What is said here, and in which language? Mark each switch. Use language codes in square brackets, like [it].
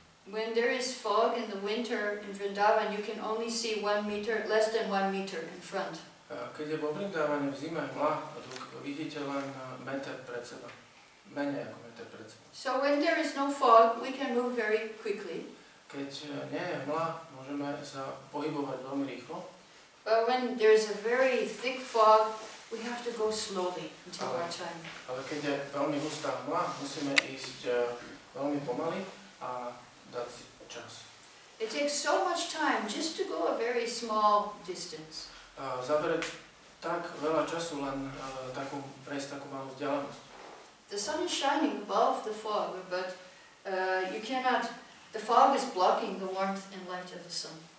[en] When there is fog in the winter in Vrindavan, you can only see less than one meter in front. [sk] Keď je vo Vrindavane v zime hmla, vidíte len meter pred seba. Menej ako meter pred seba. [en] So when there is no fog, we can move very quickly. [sk] Keď nie je hmla, môžeme sa pohybovať veľmi rýchlo. [en] But when there is a very thick fog, we have to go slowly and take our time. [sk] Ale keď je veľmi hustá hmla, musíme ísť veľmi pomaly a dať si čas. [en] It takes so much time just to go a very small distance. [sk] Zabere tak veľa času len takú prejsť takú malú vzdialenosť. [en] The sun is shining above the fog, but you cannot. The fog is blocking the warmth and light of the sun.